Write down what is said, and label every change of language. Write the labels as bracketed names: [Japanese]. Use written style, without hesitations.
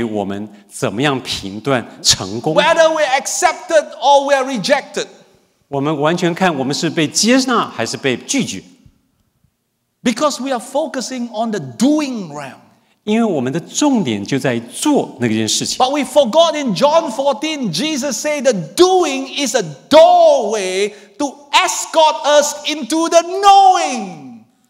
[Chinese] 我们的快乐是完全看于我们怎么样评断成功。 [English] Whether we are accepted or we are rejected. [Chinese] 我们完全看我们是被接纳还是被拒绝。 [English] Because we are focusing on the doing realm. [Chinese] 因为我们的重点就在做那件事情。 [English] But we forgot in John 14, Jesus said the doing is a doorway to escort us into the knowing.